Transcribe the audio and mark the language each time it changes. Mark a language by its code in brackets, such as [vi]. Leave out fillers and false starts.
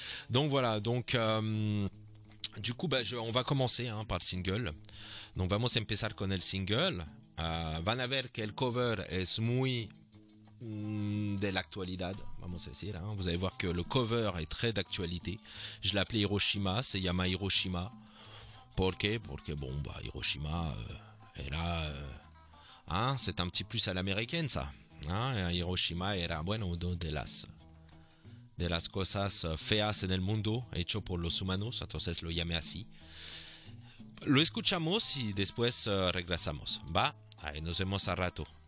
[fr] Donc voilà, donc du coup, on va commencer hein, par le single. [es] Donc vamos a empezar con el single. Van a ver que el cover es muy [fr] de l'actualité, [es] vamos a decir, hein. [fr] Vous allez voir que le cover est très d'actualité. Je l'ai appelé Hiroshima, c'est Yama Hiroshima. Pourquoi? Parce que bon, bah Hiroshima, c'est un petit plus à l'américaine, ça. Hein? [es] Hiroshima era bueno, de las cosas feas en el mundo, hecho por los humanos, entonces lo llamé así. Lo escuchamos y después regresamos. Va, ahí nos vemos a rato.